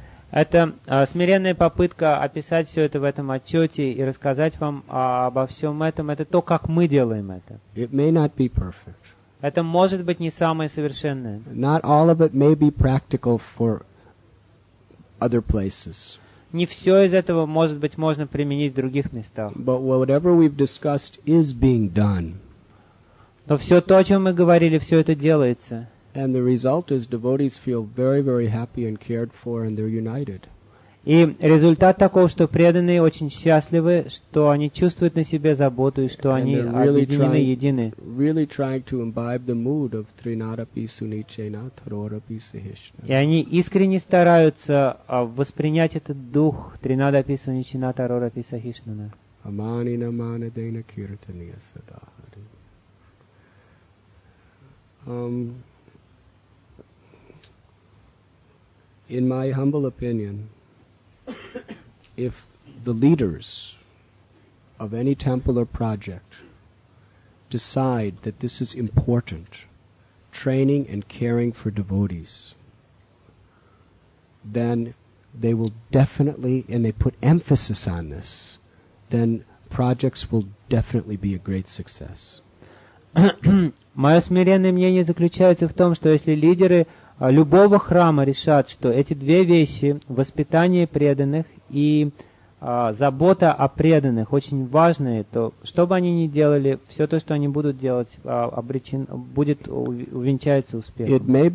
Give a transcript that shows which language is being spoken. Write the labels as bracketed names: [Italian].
[Russian] Это смиренная попытка описать все это в этом отчете и рассказать вам обо всем этом. Это то, как мы делаем это. [English] It may not be perfect. [Russian] Это может быть не самое совершенное. [English] Not all of it may be practical for other places. [Russian] Не все из этого, может быть, можно применить в других местах. [English] But whatever we've discussed is being done. [Russian] Но все то, о чем мы говорили, все это делается. [English] And the result is devotees feel very, very happy and cared for, and they're united. [Russian] И результат такого, что преданные очень счастливы, что они чувствуют на себе заботу и что они объединены, едины. [English] Really trying to imbibe the mood of [Sanskrit] Trinadapi Sunichena Tarorapi Sahishna. [Russian] И они искренне стараются воспринять этот дух [Sanskrit] Trinadapi Sunichena Tarorapi Sahishna. Amani namana dena kirtaniya sadahari. [English] In my humble opinion, if the leaders of any temple or project decide that this is important, training and caring for devotees, then they will definitely, and they put emphasis on this, then projects will definitely be a great success. [Russian] Мое смиренное мнение заключается в том, что если лидеры любого храма решат, что эти две вещи, воспитание преданных и забота о преданных, очень важные, то что бы они ни делали, все то, что они будут делать, будет увенчаться успехом.